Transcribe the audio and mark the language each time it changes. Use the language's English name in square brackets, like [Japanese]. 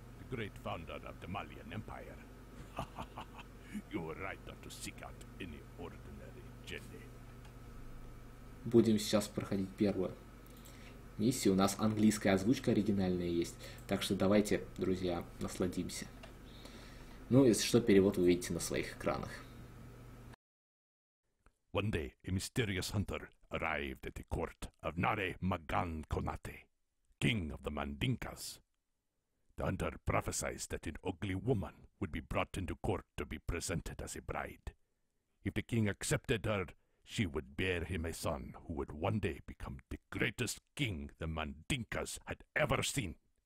[English] Great founder of the Malian Empire. You were right not to seek out any ordinary Jedi. [Russian] Будем сейчас проходить первую миссию. У нас английская озвучка оригинальная есть. Так что давайте, друзья, насладимся. Ну, если что, перевод вы видите на своих экранах. [English] One day, a mysterious hunter arrived at the court of Nare Magan Konate, king of the Mandinkas. The hunter prophesied that an ugly woman would be brought into court to be presented as a bride. If the king accepted her, she would bear him a son who would one day become the greatest king the Mandinkas had ever seen.